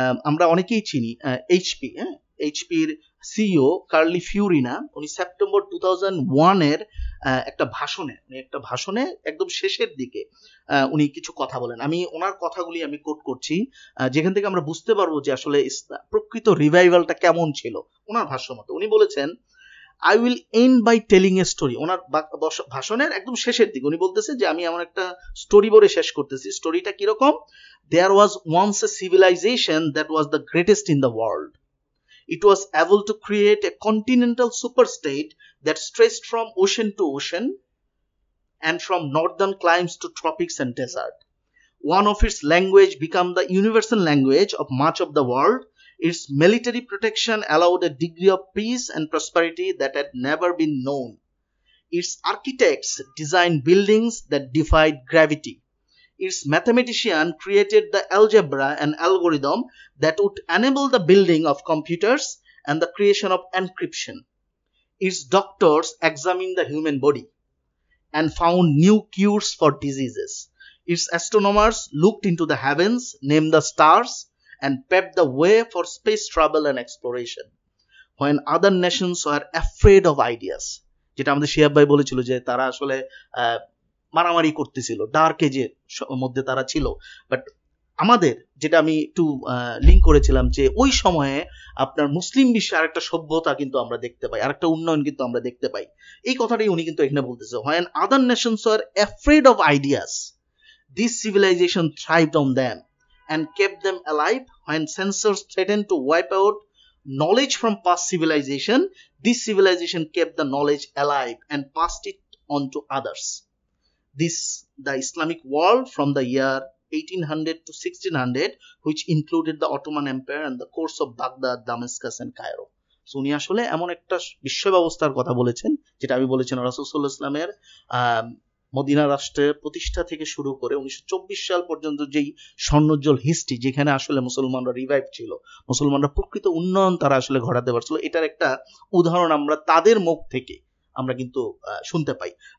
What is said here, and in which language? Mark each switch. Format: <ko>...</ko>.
<bn>আমরা অনেকেই চিনি এইচপি, হ্যাঁ, এইচপির সিইও কার্লি ফিউরিনা, উনি সেপ্টেম্বর 2001 একটা ভাষণে একদম শেষের দিকে উনি কিছু কথা বলেন, আমি ওনার কথাগুলি আমি কোট করছি, যেখান থেকে আমরা বুঝতে পারবো যে আসলে প্রকৃত রিভাইভালটা কেমন ছিল ওনার ভাষ্য মতো। উনি বলেছেন,</bn> <en>I will end by telling a story,</en> <bn>ওনার ভাষণের একদম শেষের দিকে উনি বলতেছে যে আমি আমার একটা স্টোরি বলে শেষ করতেছি। স্টোরিটা কিরকম?</bn> <en>There was once a civilization that was the greatest in the world. It was able to create a continental superstate that stretched from ocean to ocean and from northern climes to tropics and desert. One of its language became the universal language of much of the world. Its military protection allowed a degree of peace and prosperity that had never been known. Its architects designed buildings that defied gravity. Its mathematician created the algebra and algorithm that would enable the building of computers and the creation of encryption. Its doctors examined the human body and found new cures for diseases. Its astronomers looked into the heavens, named the stars, and paved the way for space travel and exploration. When other nations were afraid of ideas,</en> <bn>যেটা আমাদের শিয়াব ভাই বলেছিল যে তারা আসলে মারামারি করতেছিল, dark এজের মধ্যে তারা ছিল, বাট আমাদের যেটা আমি একটু লিঙ্ক করেছিলাম যে ওই সময়ে আপনার মুসলিম বিশ্বে আরেকটা সভ্যতা কিন্তু আমরা দেখতে পাই, আরেকটা উন্নয়ন কিন্তু আমরা দেখতে পাই, এই কথাটাই উনি কিন্তু এখানে বলতেছে।</bn> <en>When other nations are afraid of ideas, this civilization thrived on them and kept them alive. When censors threaten to wipe out knowledge from past civilization, this civilization kept the knowledge alive and passed it on to others. This, the Islamic world from the year 1800 to 1600, which included the Ottoman Empire and the course of Baghdad, Damascus and Cairo.</en> <bn>So, উনি আসলে এমন একটা বিশ্বব্যবস্থার কথা বলেছেন যেটা আমি বলেছেন রাসূলুল্লাহ ইসলামের মদিনা রাষ্ট্রের প্রতিষ্ঠা থেকে শুরু করে 1924 সাল পর্যন্ত যেই স্বর্ণোজ্জ্বল হিস্ট্রি, যেখানে আসলে মুসলমানরা রিভাইভ ছিল, মুসলমানরা প্রকৃত উন্নয়ন তারা আসলে ঘটাতে পারছিল, এটার একটা উদাহরণ আমরা তাদের মুখ থেকে আমরা কিন্তু শুনতে পাই।</bn>